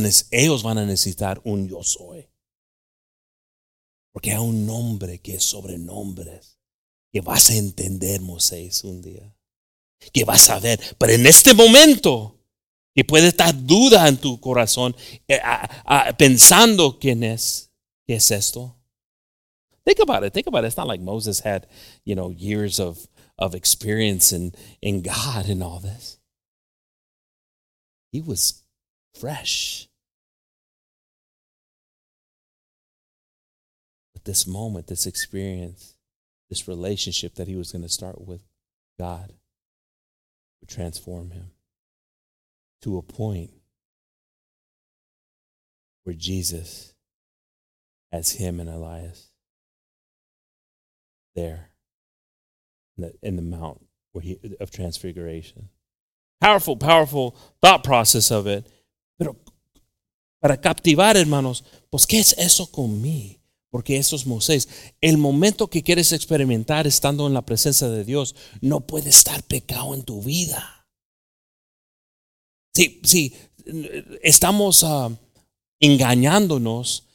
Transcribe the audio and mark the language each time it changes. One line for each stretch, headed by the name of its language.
Spanish: Ellos van a necesitar un yo soy. Porque hay un nombre que es sobre nombres que vas a entender, Moisés, un día. Que vas a ver. Pero en este momento, que puede estar duda en tu corazón, pensando qué es esto.
English: Think about it. It's not like Moses had, you know, years of experience in God and all this. He was fresh. But this moment, this experience, this relationship that he was going to start with God would transform him to a point where Jesus has him and Elias there in the mount where he of transfiguration. Powerful thought process of it.
Spanish: Pero para captivar, hermanos, pues ¿qué es eso con mí? Porque eso es Moisés. El momento que quieres experimentar estando en la presencia de Dios, no puede estar pecado en tu vida. Sí, estamos engañándonos.